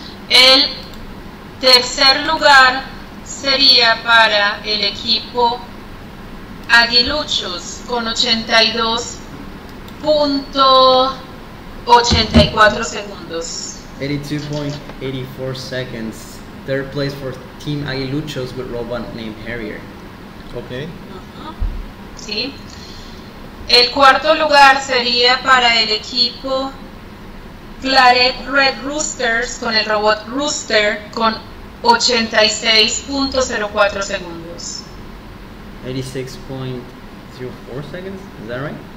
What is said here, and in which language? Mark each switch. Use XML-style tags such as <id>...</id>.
<es>El tercer lugar sería para el equipo Aguiluchos con 82.84 segundos.</es> <en>82.84 seconds. Third place for Team Aguiluchos with robot named Harrier. Okay.</en> <es>Sí. El cuarto lugar sería para el equipo Claret Red Roosters con el robot Rooster con 86.04 segundos.</es> <en>86.04 seconds, is that right?</en>